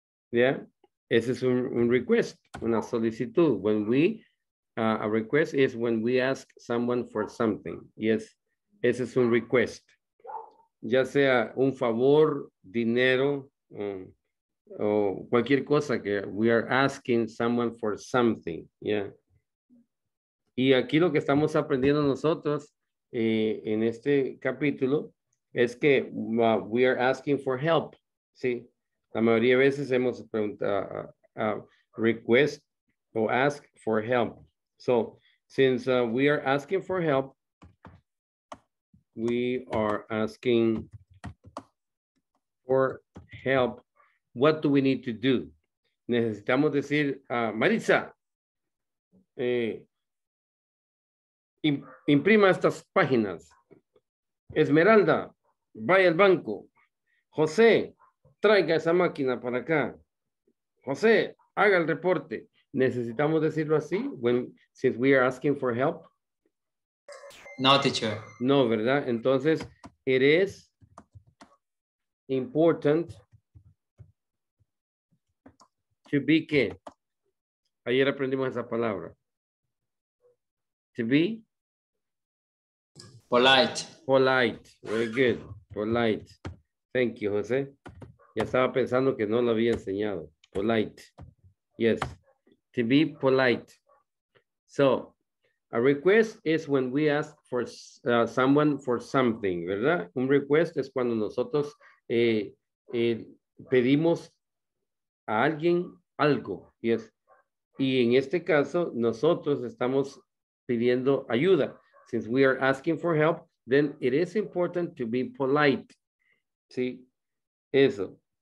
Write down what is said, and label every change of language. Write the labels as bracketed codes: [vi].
[es] Yeah, ese es un request, una solicitud. [en] When we a request is when we ask someone for something. [es] Yes, ese es un request. Ya sea un favor, dinero. O cualquier cosa que [en] we are asking someone for something, [es] yeah. Y aquí lo que estamos aprendiendo nosotros en este capítulo es que [en] we are asking for help, [es] ¿sí? La mayoría de veces hemos preguntado, request o [en] ask for help. So, since we are asking for help, we are asking for help. What do we need to do? [es] Necesitamos decir, Maritza, imprima estas páginas. Esmeralda, vaya al banco. José, traiga esa máquina para acá. José, haga el reporte. Necesitamos decirlo así, [en] since we are asking for help. No, teacher. [es] No, ¿verdad? [en] Entonces, it is important to be que. [es] Ayer aprendimos esa palabra. [en] To be. Polite. Polite. Very good. Polite. Thank you, José. [es] Ya estaba pensando que no lo había enseñado. [en] Polite. Yes. To be polite. So, a request is when we ask for someone for something, ¿verdad? [es] Un request es cuando nosotros pedimos a alguien algo, yes. Y en este caso, nosotros estamos pidiendo ayuda. [en] since we are asking for help, then it is important to be polite. ¿Sí? Eso.